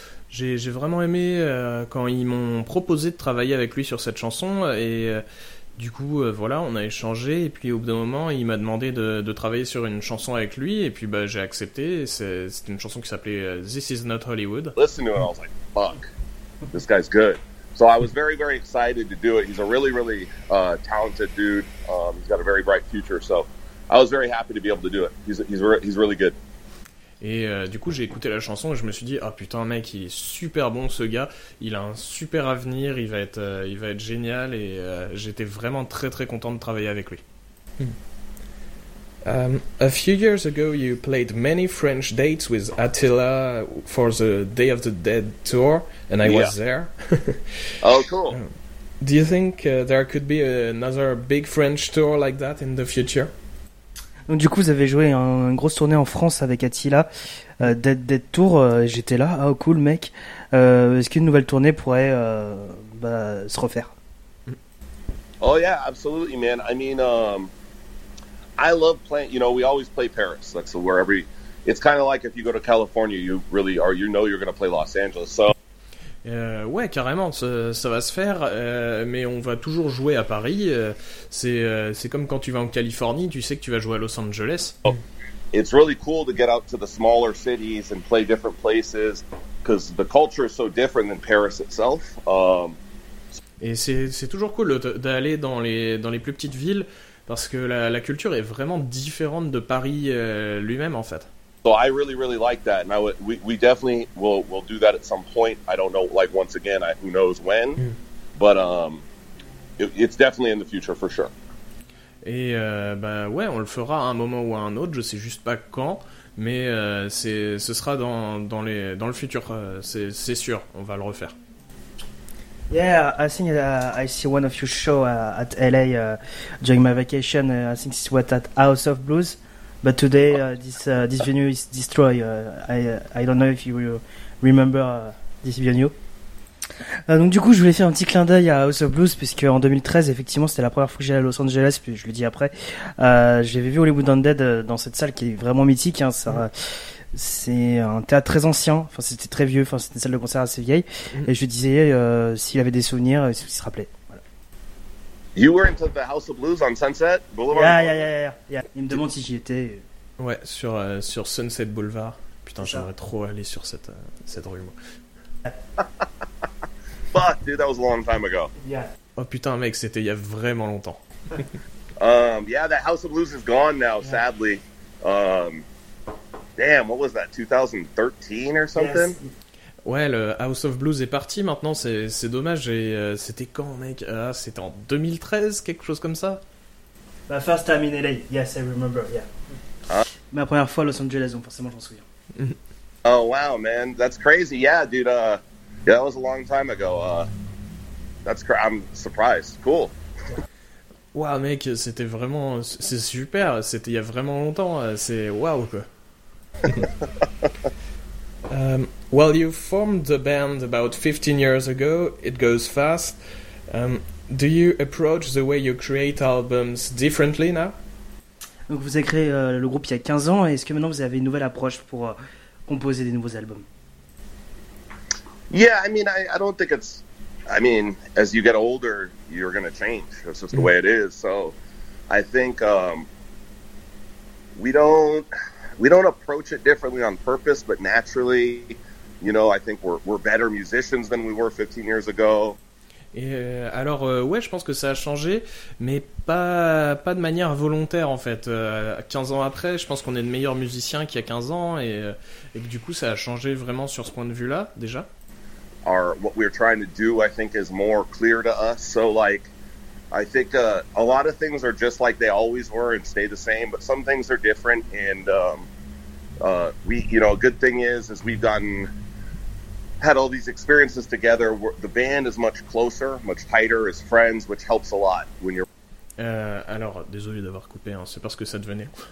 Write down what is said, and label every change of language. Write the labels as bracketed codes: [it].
[fr] j'ai vraiment aimé quand ils m'ont proposé de travailler avec lui sur cette chanson. Et du coup, voilà, on a échangé, et puis au bout d'un moment, il m'a demandé de travailler sur une chanson avec lui, et puis bah, j'ai accepté. C'est une chanson qui s'appelait This Is Not Hollywood. [en] Listen to it, I was like, fuck, this guy's good. So I was very, very excited to do it. He's a really, really talented dude. He's got a very bright future, so I was very happy to be able to do it. He's really good. [fr] Et du coup, j'ai écouté la chanson et je me suis dit, ah oh, putain, mec, il est super bon ce gars, il a un super avenir, il va être génial, et j'étais vraiment très très content de travailler avec lui. [en] A few years ago, you played many French dates with Attila for the Day of the Dead tour, and I was there. Oh, cool. Do you think there could be another big French tour like that in the future? [fr] Donc du coup, vous avez joué une grosse tournée en France avec Attila, Dead Tour, j'étais là, oh cool mec, est-ce qu'une nouvelle tournée pourrait se refaire? [en] Oh yeah, absolutely man, I mean, I love playing, you know, we always play Paris, that's where every, it's kind of like if you go to California, you really are, you know you're going to play Los Angeles, so. [fr] Ouais, carrément, ça va se faire, mais on va toujours jouer à Paris. C'est comme quand tu vas en Californie, tu sais que tu vas jouer à Los Angeles. [en] It's really cool to get out to the smaller cities and play different places because the culture is so different than Paris itself. [fr] Et c'est toujours cool d'aller dans les plus petites villes parce que la culture est vraiment différente de Paris lui-même en fait. [en] So I really, really like that, and we definitely will do that at some point. I don't know, like once again, who knows when, but it's definitely in the future for sure. [fr] Et bah ouais, on le fera à un moment ou à un autre. Je sais juste pas quand, mais ce sera dans le futur. C'est sûr, on va le refaire. [en] Yeah, I think I see one of your show at LA during my vacation. I think it's what at House of Blues. But today, this venue is destroyed. I don't know if you remember this venue. [fr] Donc du coup, je voulais faire un petit clin d'œil à House of Blues, puisque en 2013, effectivement, c'était la première fois que j'allais à Los Angeles, puis je le dis après. J'avais vu Hollywood Undead dans cette salle qui est vraiment mythique. Hein, ça, c'est un théâtre très ancien, enfin c'était très vieux, enfin c'était une salle de concert assez vieille. Et je lui disais s'il avait des souvenirs, s'il se rappelait. [en] You were into the House of Blues on Sunset Boulevard. [fr] Yeah. Il me demande si j'y étais. Ouais, sur Sunset Boulevard. Putain, j'aimerais trop aller sur cette rue. [en] Fuck, dude, that was a long time ago. Yeah. [fr] Oh putain, mec, c'était il y a vraiment longtemps. [en] Yeah, that House of Blues is gone now, sadly. Damn, what was that? 2013 or something? Yes. [fr] Ouais, le House of Blues est parti maintenant, c'est dommage. Et c'était quand, mec? Ah, c'était en 2013, quelque chose comme ça? [en] Ma first time in LA, yes, I remember, yeah. [fr] Ma première fois à Los Angeles, donc forcément j'en souviens. [en] Oh wow, man, that's crazy, yeah, dude, yeah, that was a long time ago. I'm surprised, cool. [fr] Wow, mec, c'était vraiment. C'est super, c'était il y a vraiment longtemps, c'est wow, quoi. [en] Well, you formed the band about 15 years ago. It goes fast. Do you approach the way you create albums differently now? [fr] Donc vous avez créé le groupe il y a 15 ans. Est-ce que maintenant vous avez une nouvelle approche pour composer des nouveaux albums? [en] Yeah, I mean, I don't think it's... I mean, as you get older, you're going to change. That's just the way it is. So I think we don't approach it differently on purpose, but naturally, you know, I think we're better musicians than we were 15 years ago. [fr] Et alors, ouais, je pense que ça a changé, mais pas de manière volontaire, en fait. 15 ans après, je pense qu'on est de meilleurs musiciens qu'il y a 15 ans, et du coup, ça a changé vraiment sur ce point de vue-là, déjà. [en] What we're trying to do, I think, is more clear to us. So, like, I think a lot of things are just like they always were and stay the same, but some things are different, and we, you know, a good thing is we've gotten... had all these experiences together, the band is much closer, much tighter as friends, which helps a lot when you're... [fr] Alors, désolé d'avoir coupé, hein, c'est parce que ça devenait...